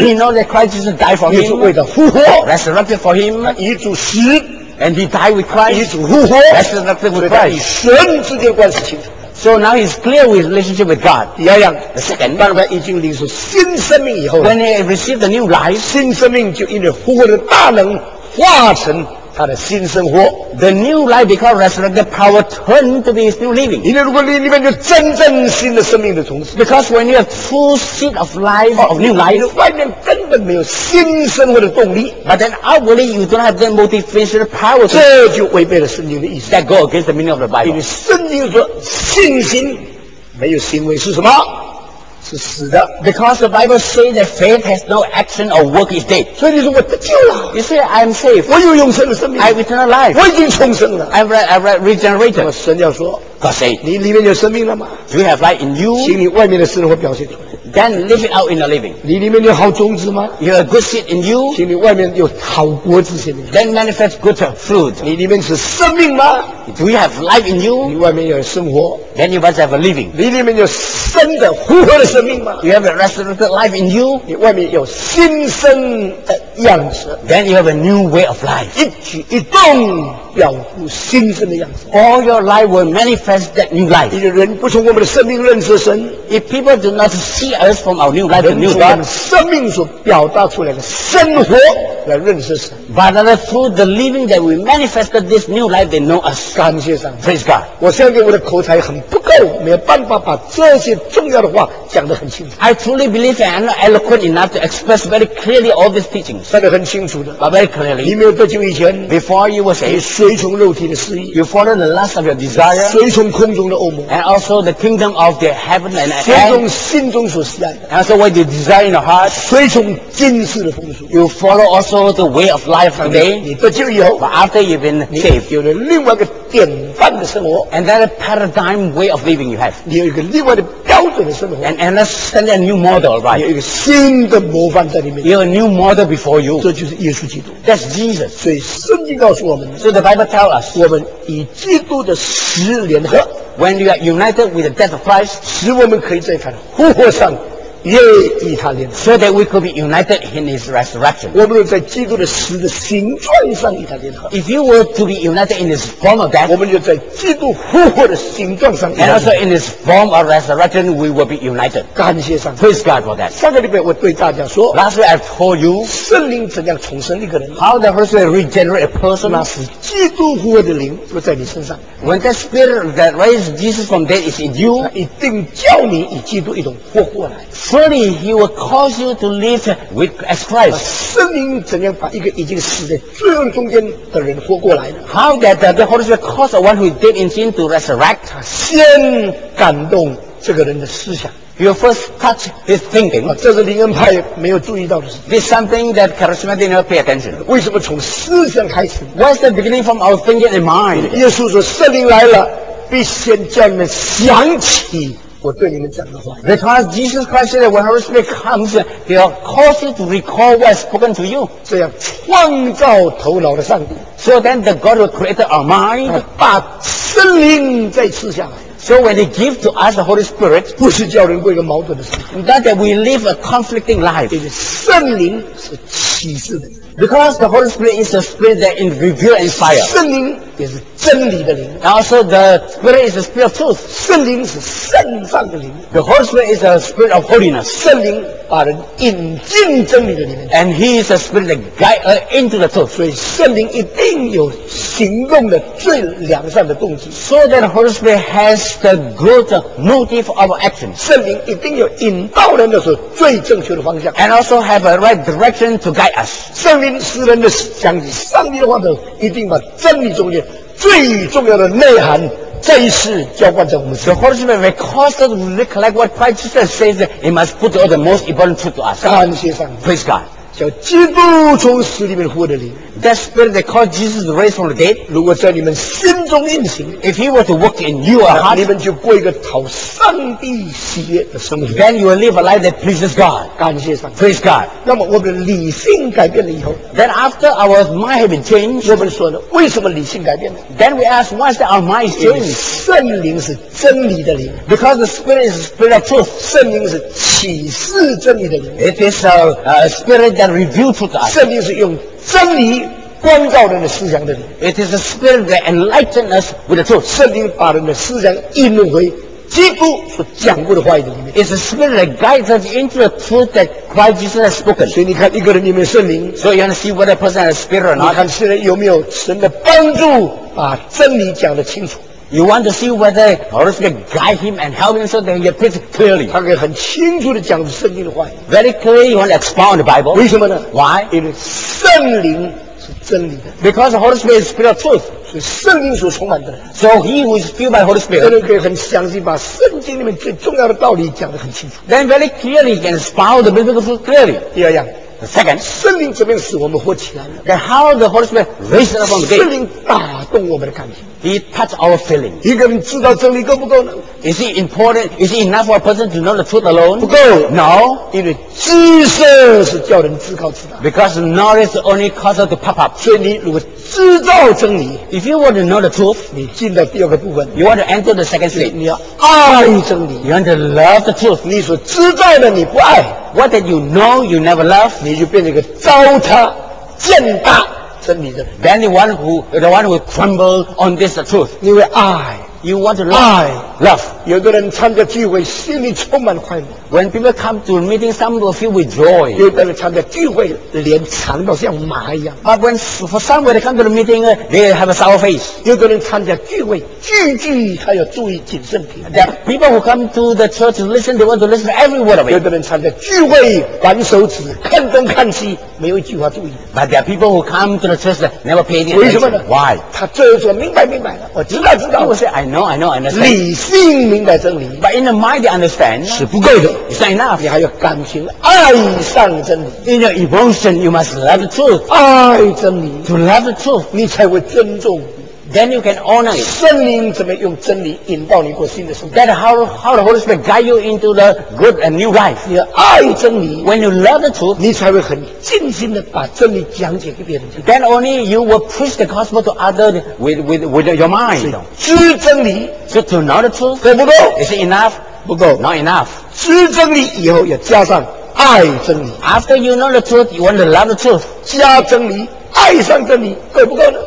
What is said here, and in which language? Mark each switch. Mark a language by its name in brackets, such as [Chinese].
[English] He knows that Christ Jesus died for him. [Chinese] 耶稣为他复活。 [English] Resurrected for him. [Chinese] 以主死。 [English] And he died with Christ. [Chinese] 以主复活。 [English] Resurrected with Christ. [Chinese] 与神之间关系清楚。 [English] So now he's clear with his relationship with God. [Chinese] 第二样 [English] The second, [Chinese] 当他已经领受新生命以后 [English] When he received the new life, [Chinese] 新生命就因为复活的大能化成他的新生活 [English] The new life because resurrected power turned to be his new living. [Chinese] 因为如果你里面有真正新的生命的种子 [English] Because when you have full seed of life, of new life, [Chinese] 你外面根本没有新生活的动力 [English] But then outwardly you don't have that motivational power. [Chinese] 这就违背了圣经的意思 [English] That go against the meaning of the Bible. [Chinese] 因为圣经说信心没有行为是什么是死的 [English] Because the Bible says that faith has no action or work is dead. [Chinese] 所以你说我得救了 [English] You say I'm saved. [Chinese] 我有永生的生命 [English] I have eternal life. [Chinese] 我已经重生了 [English] I've regenerated. [Chinese] 那么神要说 [English] God say, [Chinese] 你里面有生命了吗 [English] Do you have life in you? [Chinese] 请你外面的生活表现出来 [English] Then live it out in the living. [Chinese] 你里面有好种子吗 [English] You have a good seed in you? [Chinese] 请你外面有好果子显明 [English] Then manifest good fruit. [Chinese] 你里面是生命吗 [English] Do you have life in you? [Chinese] 你外面有生活 [English] Then you must have a living. Living means [Chinese] 生的活泼的生命吗？ [English] You have a resurrected life in you. [Chinese] 你外面有新生的样子。 [English] Then you have a new way of life. [Chinese] 一举一动表出新生的样子。 [English] All your life will manifest that new life. [Chinese] 你的人不从我们的生命认识神。 [English] If people do not see us from our new life, the new God. [Chinese] 人从我们生命所表达出来的生活来认识神。 [English] But through the living that we manifested this new life, they know us. [Chinese] 感谢上帝。 [English] Praise God. [Chinese] 我相信我的口才很不够，没有办法把这些重要的话讲得很清楚。 [English] I truly believe I am not eloquent enough to express very clearly all these teachings. [Chinese] 说得很清楚的。 [English] But very clearly. [Chinese] 你没有多久以前 [English] ，before you were saved, [Chinese] 你随从肉体的私欲 [English] ，you followed the lust of your desire, [Chinese] 随从空中的恶魔 [English] ，and also the kingdom of the heaven and [Chinese] earth, 随从心中所喜爱的 [English] ，and also what you desire in your heart, [Chinese] 随从今世的风俗 [English] ，you follow also the way of life today. [Chinese] 你多久以后 [English] ，but after you've been saved, [Chinese] 有了另外一个典范的生活 [English] ，and that paradigm. Way of living you have. [Chinese] 你有一个另外的标准的生活。 [English] And understand a new model, right? [Chinese] 你有一个新的模范在里面。 [English] You have a new model before you. [Chinese] 这就是耶稣基督。 [English] That's Jesus. [Chinese] 所以圣经告诉我们。 [English] So the Bible tells us. [Chinese] 我们与基督的死联合。 [English] When you are united with the death of Christ, [Chinese] 使我们可以在他的复活上。也与他联合 [English] ，so that we could be united in his resurrection。 [Chinese] 我们在基督的死的形状上与他联合。 [English] If you were to be united in his form of death， [Chinese] 我们就在基督复活的形状上。 [English] And also in his form of resurrection， we will be united。 [Chinese] 感谢上帝。 [English] Praise God for that。 [Chinese] 上个礼拜我对大家说 [English] ，Last week I told you， [Chinese] 圣灵怎样重生一个人 [English] ？How the Holy Spirit regenerate a person？ [Chinese] 那是基督复活的灵就在你身上。 [English] When the Spirit that raised Jesus from death is in you， [Chinese] 一定叫你与基督一同活过来。 [English] Surely he will cause you to live with as Christ. [Chinese] 圣灵怎样把一个已经死在罪恶中间的人活过来呢？ [English] How that the Holy Spirit cause one who is dead in sin to resurrect? [Chinese] 先感动这个人的思想。 [English] You first touch his thinking. [Chinese] 这是灵恩派没有注意到的事情。 [English] This is something that charismatic never pay attention. [Chinese] 为什么从思想开始？ [English] What's the beginning from our thinking and mind? [Chinese] 耶稣说圣灵来了，必先叫你们想起我对你们讲的话。 [English] Because Jesus Christ said that when Holy Spirit comes, he will cause you to recall what is spoken to you. [Chinese] 这样创造头脑的上帝。 [English] So then the God who created our mind, [Chinese] 把圣灵再赐下来。 [English] So when he gives to us the Holy Spirit, [Chinese] 不是叫人过一个矛盾的生活。 [English] Not that we live a conflicting life. [Chinese] 因为圣灵是启示的。 [English] Because the Holy Spirit is the Spirit that in reveal and fire. [Chinese] 圣灵也是真理的灵。 [English] And also the Spirit is the Spirit of truth. [Chinese] 圣灵是圣上的灵。 [English] The Holy Spirit is the Spirit of holiness. [Chinese] 圣灵把人引进真理的里面。 [English] And he is the Spirit that guide us into the truth. [Chinese] 所以圣灵一定有行动的最良善的动机。 [English] So that the Holy Spirit has the good motive of action. [Chinese] 圣灵一定有引导人的时候最正确的方向。 [English] And also have a right direction to guide us. [Chinese] 圣灵使人的想起上帝的话的，一定把真理中间最重要的内涵，这一世浇灌在我们身上。 [English] The Holy Spirit will cause us to recollect what Christ Jesus says. He must put all the most important truth to us. [Chinese] 感谢上帝。 [English] Praise God. [Chinese] 叫基督从死里面活的灵。 [English] That Spirit that caused Jesus to raise from the dead. [Chinese] 如果在你们心中运行 [English] ，If He were to work in your heart, [Chinese] 你们就过一个讨上帝喜悦的生活。 [English] Then you will live a life that pleases God. [Chinese] 感谢上帝。 [English] Praise God. [Chinese] 那么我们的理性改变了以后 [English] ，Then after our mind has been changed, [Chinese] 我们说呢，为什么理性改变了 [English] ？Then we ask, why is that our mind is changed? [Chinese] 圣灵是真理的灵。 [English] Because the Spirit is the Spirit of truth. [Chinese] 圣灵是启示真理的灵。 [English] It is a Spirit that reveals truth. [Chinese] 圣灵是用真理光照人的思想的人。 [English] It is the Spirit that enlightens us with the truth. [Chinese] 圣灵把人的思想引回基督所讲过的话语里面。 [English] It's the Spirit that guides us into the truth that Christ Jesus has spoken. [Chinese] 所以你看一个人有没有圣灵。 [English] So you want to see whether a person has spirit or not. [Chinese] 你看现在有没有神的帮助把真理讲得清楚。 [English] You want to see whether Holy Spirit guide him and help him so that he preach clearly. [Chinese] 他可以很清楚地讲圣经的话。 [English] Very clearly, you want to expound the Bible. [Chinese] 为什么呢 [English] ？Why? [Chinese] 因为圣灵是真理的。 [English] Because Holy Spirit is Spirit of truth. [Chinese] 所以圣灵所充满的人。 [English] So he who is filled by Holy Spirit. [Chinese] 这人可以很详细把圣经里面最重要的道理讲得很清楚。 [English] Then very clearly, he can expound the biblical truth clearly. [Chinese] 第二样。 [English] Second, [Chinese] 圣灵怎么使我们活起来了？ [English] Then how the Holy Spirit raised us from the grave? [Chinese] 圣灵打动我们的感情。 [English] He touched our feelings. [Chinese] 一个人知道真理够不够呢？ [English] Is it important? Is it enough for a person to know the truth alone? [Chinese] 不够。 [English] No, [Chinese] 因为知识是叫人自高自大。 [English] Because knowledge only causes to pop up. [Chinese] 所以你如果知道真理， [English] if you want to know the truth, [Chinese] 你进到第二个部分。 [English] You want to enter the second stage. [Chinese] 你要爱真理。 [English] You want to love the truth. [Chinese] 你所知道的你不爱。 [English] What that you know, you never love, [Chinese] 你就变成一个糟蹋、践踏真理的人。 [English] Then the one who crumble on this truth, [Chinese] 你会爱。 [English] You want to love. Love. [Chinese] 有个人参加聚会，心里充满快乐。 [English] When people come to the meeting, some will feel with joy. [Chinese] 有个人参加聚会，脸长到像马一样。 [English] But when for some when they come to the meeting, they have a sour face. [Chinese] 有个人参加聚会，句句他要注意谨慎品。 [English] The people who come to the church to listen, they want to listen to every word of it. [Chinese] 有个人参加聚会，玩手指，看东看西，没有一句话注意。 [English] But there are people who come to the church that never pay any attention. [Chinese] 为什么呢？ [English] Why? [Chinese] 他这说明白明白了，我知道知道。 [English] People say, I know, understand. [Chinese] 理性明白真理。 [English] But in the mind, they understand. [Chinese] 是不够的。 [English] It's not enough. [Chinese] 你还要感情爱上真理。 [English] In your emotion, you must love the truth. [Chinese] 爱真理。 [English] To love the truth. [Chinese] 你才会尊重。 [English] Then you can honor it. [Chinese] 圣灵怎么用真理引导你过新的生活？ [English] That how the Holy Spirit guide you into the good and new life. [Chinese] 你爱真理。 [English] When you love the truth, [Chinese] 你才会很尽心的把真理讲解给别人听。 [English] Then only you will preach the gospel to others with your mind. [Chinese] 知真理。 [English] So to know the truth, [Chinese] 够不够？ [English] Is it enough? [Chinese] 不够。 [English] Not enough. [Chinese] 知真理以后要加上爱真理。 [English] After you know the truth, you want to love the truth. [Chinese] 加真理。爱上真理够不够呢？